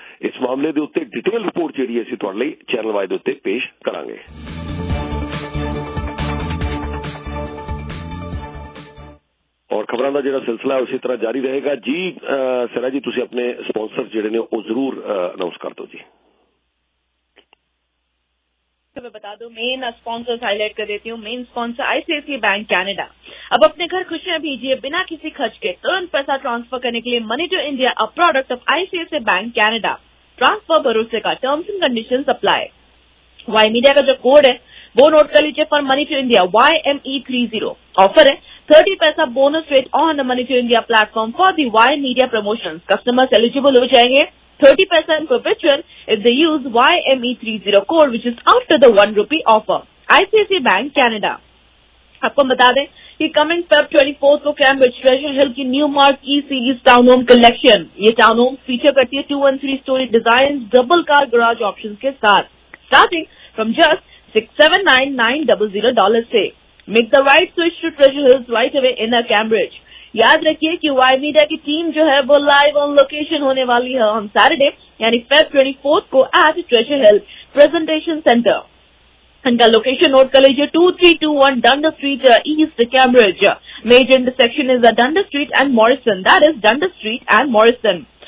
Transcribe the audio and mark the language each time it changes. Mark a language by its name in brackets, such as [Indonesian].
[Punjabi] ਇਸ ਮਾਮਲੇ ਦੇ ਉੱਤੇ ਡਿਟੇਲ ਰਿਪੋਰਟ ਜਿਹੜੀ ਅਸੀਂ ਤੁਹਾਡੇ ਲਈ ਚੈਨਲ ਵਾਈ ਦੇ ਉੱਤੇ ਪੇਸ਼ ਕਰਾਂਗੇ। ਖਬਰਾਂ ਦਾ ਜਿਹੜਾ ਸਿਲਸਿਲਾ ਉਸੇ ਤਰ੍ਹਾਂ ਜਾਰੀ ਰਹੇਗਾ ਜੀ ਸਿਰਾ ਜੀ ਤੁਸੀਂ ਆਪਣੇ ਸਪੋਂਸਰ ਜਿਹੜੇ ਨੇ ਉਹ ਜ਼ਰੂਰ ਅਨਾਊਂਸ ਕਰ ਦਿਓ ਜੀ [Hindi] मैं बता दूं मेन स्पॉन्सर्स हाईलाइट कर देती हूं main sponsor ICIC bank Canada अब अपने घर खुशियां भेजिए बिना किसी खर्च के तुरंत पैसा ट्रांसफर करने के लिए money to India a product of ICIC bank Canada transfer भरोसे का terms and conditions apply Y media का जो कोड है वो नोट कर लीजिए for money to India YME30 offer है 30 पैसा bonus rate on the money to India platform for the Y media promotion customers eligible हो जाएंगे [English] 30% perpetual if they use YME30 code which is after the 1 rupee offer. ICICI Bank Canada. [Hindi] आपको बता दें कि [English] coming Feb 24th [Hindi] को Cambridge Treasure Hill की Newmark E-Series Townhome Collection. ये Townhome feature करती है [English] 213-story designs double car garage options [Hindi] के साथ. [English] Starting from just $679,900 से. Make the right switch to Treasure Hills right away in a Cambridge. [Hindi] याद रखिए कि वाई मीडिया की टीम जो है वो लाइव ऑन लोकेशन होने वाली है ऑन सैटरडे यानी फेब 24th को एट ट्रेजर हिल प्रेजेंटेशन सेंटर इनका लोकेशन नोट कर लीजिए 2321 डंडर street east Cambridge major intersection is the डंडर street and Morrison that is डंडर street and Morrison